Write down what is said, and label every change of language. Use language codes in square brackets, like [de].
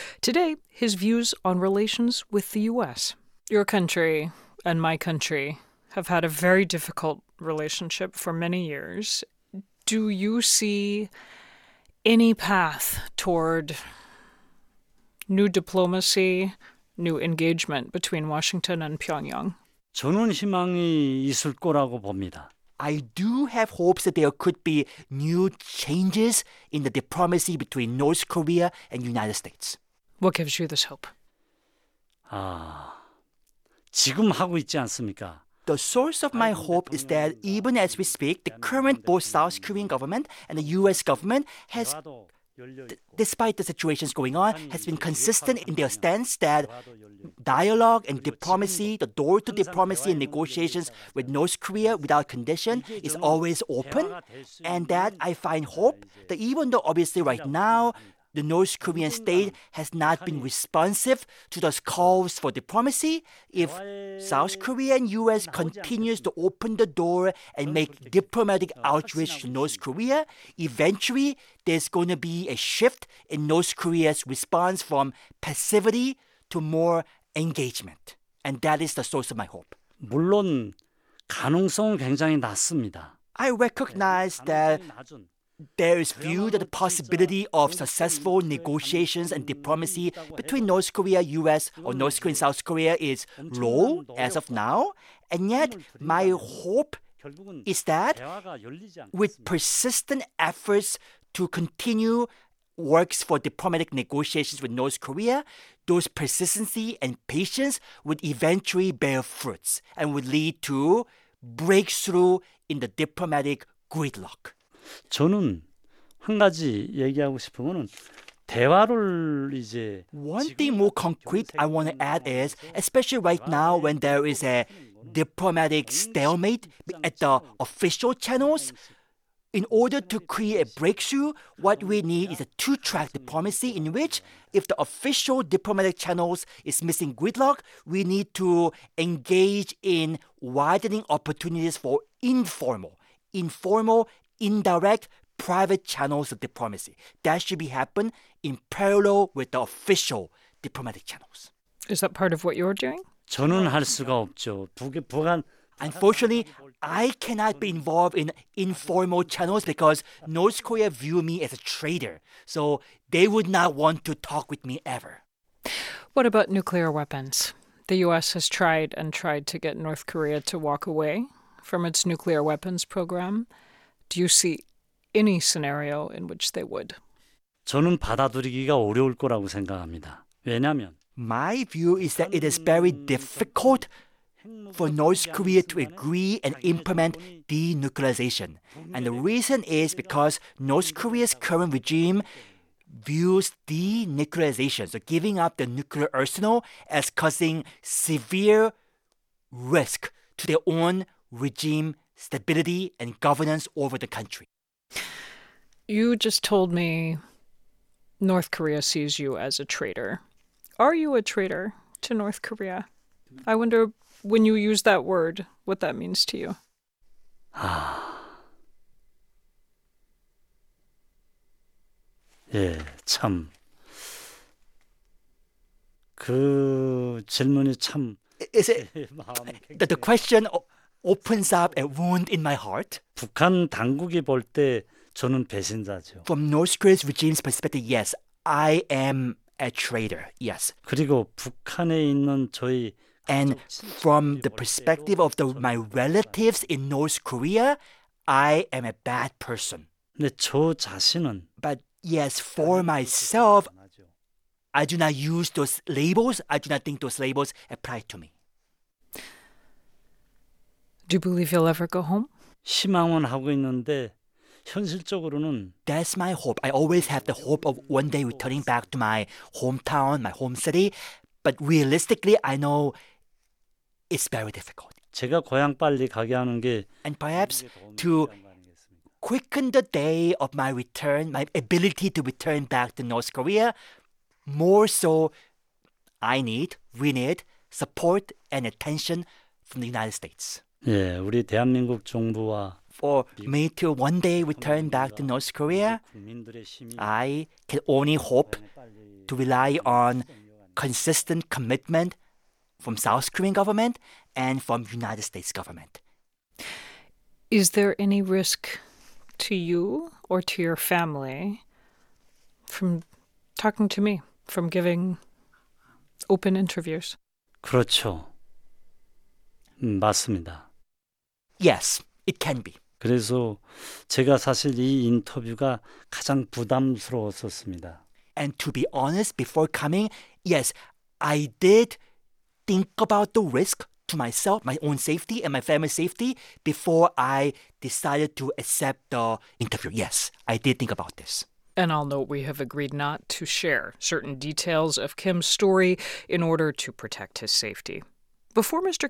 [en] Today, his views on relations with the U.S. Your country and my country have had a very difficult relationship for many years. Do you see any path toward new diplomacy, new engagement between Washington and Pyongyang? [ko] 저는 희망이 있을 거라고 봅니다. [en] I do have hopes that there could be new changes in the diplomacy between North Korea and United States. What gives you this hope? [ko] 아, 지금 하고 있지 않습니까? [en] The source of my hope is that even as we speak, the current both South Korean government and the U.S. government has, despite the situations going on, has been consistent in their stance that dialogue and diplomacy, the door to diplomacy and negotiations with North Korea without condition is always open, and that I find hope that even though obviously right now The North Korean state has not been responsive to those calls for diplomacy. If South Korea and U.S. continues to open the door and make diplomatic outreach to North Korea, eventually there's going to be a shift in North Korea's response from passivity to more engagement. And that is the source of my hope. [ko] 물론 가능성은 굉장히 낮습니다. [en] I recognize that there is viewed the possibility of successful negotiations and diplomacy between North Korea, U.S., or North Korea and South Korea is low as of now. And yet, my hope is that with persistent efforts to continue works for diplomatic negotiations with North Korea, those persistency and patience would eventually bear fruits and would lead to breakthrough in the diplomatic gridlock. [ko] 저는 한 가지 얘기하고 싶은 거는 대화를 이제 [en] One thing more concrete I want to add is, especially right now when there is a diplomatic stalemate at the official channels, in order to create a breakthrough, what we need is a two-track diplomacy in which if the official diplomatic channels is missing gridlock, we need to engage in widening opportunities for informal, indirect, private channels of diplomacy. That should be happen in parallel with the official diplomatic channels. Is that part of what you're doing? [ko] 저는 할 수가 없죠. 북한 [en] Unfortunately, I cannot be involved in informal channels because North Korea view me as a traitor. So they would not want to talk with me ever. What about nuclear weapons? The U.S. has tried and tried to get North Korea to walk away from its nuclear weapons program. Do you see any scenario in which they would? [ko] 저는 받아들이기가 어려울 거라고 생각합니다. 왜냐하면 [en] My view is that it is very difficult for North Korea to agree and implement denuclearization. And the reason is because North Korea's current regime views denuclearization, so giving up the nuclear arsenal, as causing severe risk to their own regime stability and governance over the country. You just told me North Korea sees you as a traitor. Are you a traitor to North Korea? I wonder, when you use that word, what that means to you. [ko] Yeah, 참. 그 질문이 참. [en] Is it that the question opens up a wound in my heart? [ko] 북한 당국이 볼 때 저는 배신자죠. [en] From North Korea's regime's perspective, yes, I am a traitor, yes. [ko] 그리고 북한에 있는 저희 [en] And from the perspective of the, my relatives in North Korea, I am a bad person. [ko] 근데 저 자신은 [en] But yes, for myself, I do not use those labels. I do not think those labels apply to me. Do you believe you'll ever go home? [ko] 희망은 하고 있는데 현실적으로는 [en] That's my hope. I always have the hope of one day returning back to my hometown, my home city. But realistically, I know it's very difficult. [ko] 제가 고향 빨리 가게 하는 게 [en] And perhaps to quicken the day of my return, my ability to return back to North Korea, more so we need support and attention from the United States. [ko] 예, 우리 대한민국 정부와 [en] For me to one day return back to North Korea, I can only hope to rely on consistent commitment from South Korean government and from United States government. Is there any risk to you or to your family from talking to me, from giving open interviews? [ko] 그렇죠. 맞습니다. [en] Yes, it can be. [ko] 그래서 제가 사실 이 인터뷰가 가장 부담스러웠었습니다. [en] And to be honest, before coming, yes, I did think about the risk to myself, my own safety and my family's safety before I decided to accept the interview. Yes, I did think about this. And I'll note we have agreed not to share certain details of Kim's story in order to protect his safety. Before Mr.